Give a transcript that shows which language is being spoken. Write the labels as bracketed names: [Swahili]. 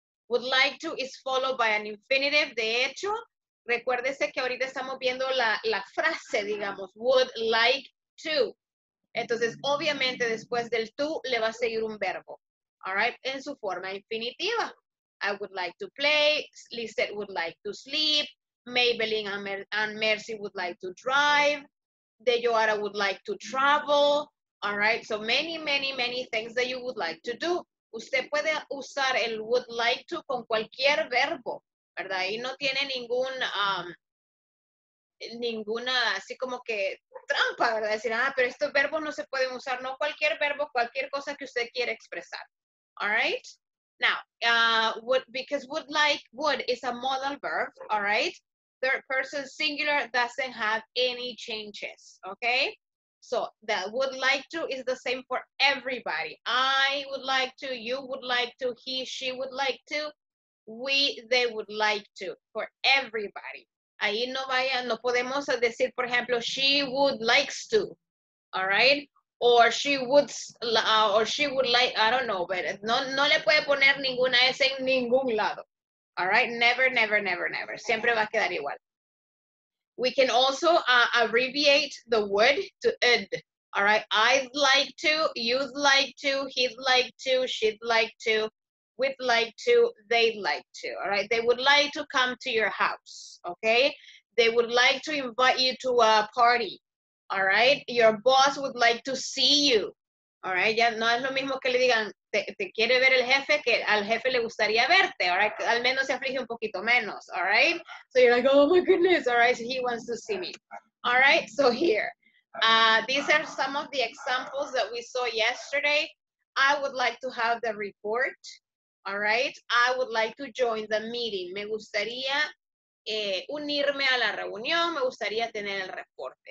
[English] Would like to is followed by an infinitive, [Spanish] de hecho, recuérdese que ahorita estamos viendo la frase, digamos, [English] would like to. [Spanish] Entonces, obviamente, después del tú, le va a seguir un verbo, all right, en su forma infinitiva. [English] I would like to play, Lizette would like to sleep, Maybelline and Mercy would like to drive, Deyoara would like to travel, all right, so many, many, many things that you would like to do. [Spanish] Usted puede usar el would like to con cualquier verbo, ¿verdad? Y no tiene ninguna así como que trampa, ¿verdad? Decir, ah, pero estos verbos no se pueden usar, no cualquier verbo, cualquier cosa que usted quiera expresar. [English] All right? Now, would is a modal verb, all right? Third person singular doesn't have any changes, okay? So, the would like to is the same for everybody. I would like to, you would like to, he, she would like to, we, they would like to, for everybody. [Spanish] Ahí no vaya, no podemos decir, por ejemplo, [English] she would likes to, [Spanish] all right? [English] or she would, or she would like, I don't know, but [Spanish] no le puede poner ninguna S en ningún lado. [English] All right, never. [Spanish] Siempre va a quedar igual. [English] We can also abbreviate the would to id. All right, I'd like to, you'd like to, he'd like to, she'd like to, we'd like to, they'd like to. All right, they would like to come to your house. Okay, they would like to invite you to a party. All right, your boss would like to see you. [Spanish] All right, ya no es lo mismo que le digan, te quiere ver el jefe, que al jefe le gustaría verte. [English] All right, [Spanish] al menos se aflige un poquito menos. [English] All right, so you're like, oh my goodness, all right, so he wants to see me. All right, so here, these are some of the examples that we saw yesterday. I would like to have the report. All right, I would like to join the meeting. [Spanish] Me gustaría unirme a la reunión, me gustaría tener el reporte.